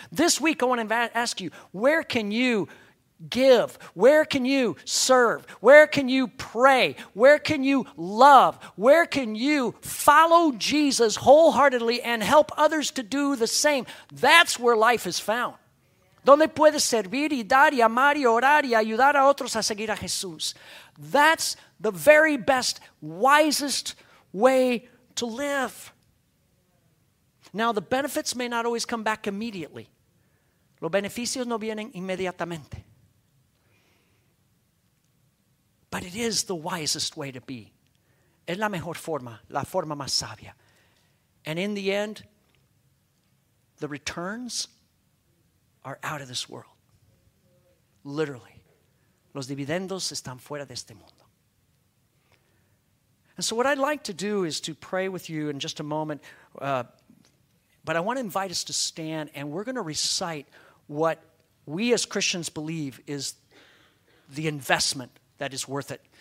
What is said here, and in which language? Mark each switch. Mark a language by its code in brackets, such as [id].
[en] This week I want to ask you, where can you give? Where can you serve? Where can you pray? Where can you love? Where can you follow Jesus wholeheartedly and help others to do the same? That's where life is found. [es] ¿Dónde puedes servir y dar y amar y orar y ayudar a otros a seguir a Jesús? [en] That's the very best, wisest way to live. Now, the benefits may not always come back immediately. [es] Los beneficios no vienen inmediatamente. [en] But it is the wisest way to be. [es] Es la mejor forma, la forma más sabia. [en] And in the end, the returns are out of this world. Literally. [es] Los dividendos están fuera de este mundo. [en] And so what I'd like to do is to pray with you in just a moment. But I want to invite us to stand, and we're going to recite what we as Christians believe is the investment that is worth it.